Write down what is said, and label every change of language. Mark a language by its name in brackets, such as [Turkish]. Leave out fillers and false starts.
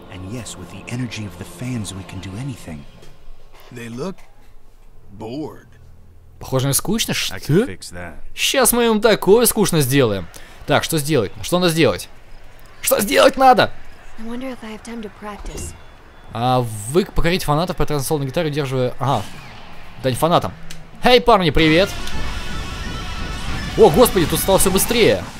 [English] And yes, with the energy of the fans, we can do anything. They look bored. [Russian] Похоже, им скучно, что? Сейчас мы им такое скучно сделаем. Так, что сделать? Что надо сделать? Что сделать надо? [English] I wonder if I have time to practice. [Russian] А вы покорите фанатов по трансолу на гитаре, удерживая... Ага. Дань фанатам. Эй, парни, привет! О, господи, тут стало все быстрее.